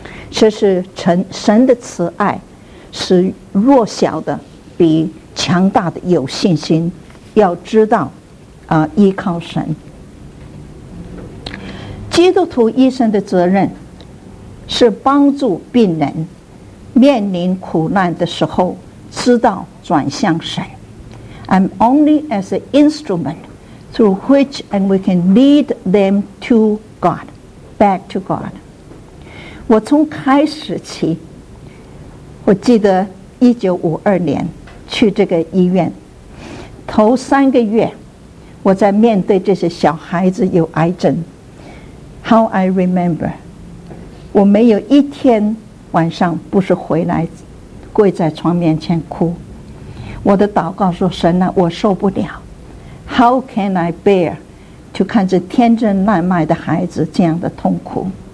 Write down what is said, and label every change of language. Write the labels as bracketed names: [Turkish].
[Chinese] 这是神的慈爱，使弱小的比强大的有信心，要知道依靠神。基督徒医生的责任是帮助病人面临苦难的时候知道转向神。 [English] I'm only as an instrument through which and we can lead them to God, back to God. [Chinese] 我从开始起，我记得1952年去这个医院，头三个月我在面对这些小孩子有癌症。 How I remember, 我没有一天晚上不是回来跪在床面前哭，我的祷告说，神啊，我受不了， How can I bear to 看着天真烂漫的孩子这样的痛苦。